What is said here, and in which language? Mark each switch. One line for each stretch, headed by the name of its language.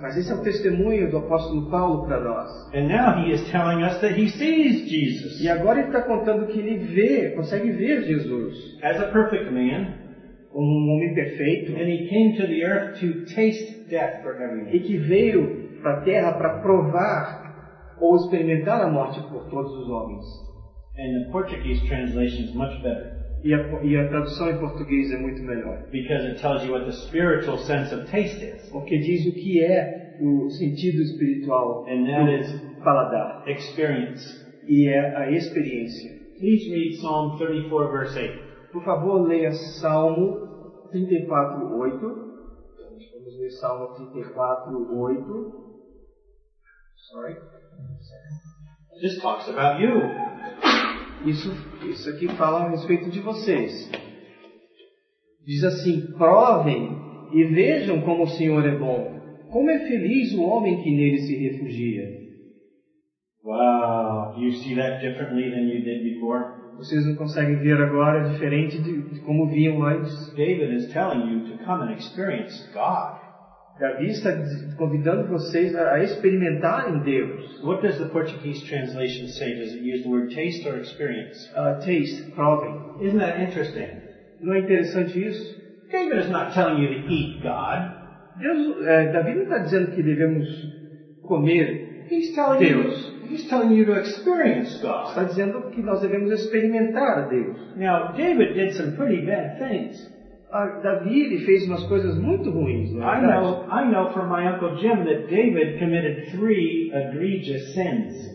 Portuguese: Mas esse é o testemunho do apóstolo Paulo para nós.
English: And now he is telling us that he sees Jesus.
Portuguese: E agora ele está contando que ele vê, consegue ver Jesus.
English: As a perfect man,
Portuguese: um homem perfeito,
English: and he came to the earth to taste death for everyone.
Portuguese: E que veio para a terra para provar ou experimentar a morte por todos os homens.
English: And the Portuguese translation is much better.
Portuguese: E a tradução em português é muito melhor.
English: Because it tells you what the spiritual sense of taste is.
Portuguese: Porque diz o que é o sentido espiritual.
English: And that is
Portuguese: paladar.
English: Experience.
Portuguese: E é a experiência.
English: Please read Psalm 34, verse 8.
Portuguese: Por favor, leia Salmo 34, 8. Vamos ler Salmo 34, 8.
English: Sorry. This talks about you.
Portuguese: Isso aqui fala a respeito de vocês. Diz assim: provem e vejam como o Senhor é bom. Como é feliz o homem que nele se refugia.
English: Wow, you see that differently than you did before?
Portuguese: Vocês não conseguem ver agora diferente de como viam antes.
English: David is telling you to come and experience God.
Portuguese: Davi está convidando vocês a experimentarem Deus.
English: What does the Portuguese translation say? Does it use the word taste or experience? Taste, probably. Isn't that interesting?
Portuguese: Não é interessante isso?
English: David is not telling you to eat God.
Portuguese: Davi não está dizendo que devemos comer
English: he's telling
Portuguese: Deus.
English: He's telling you to experience God.
Portuguese: Está dizendo que nós devemos experimentar Deus.
English: Now, David did some pretty bad things.
Portuguese: Davi fez umas coisas muito ruins.
English: I know from my uncle Jim that David committed 3 egregious sins.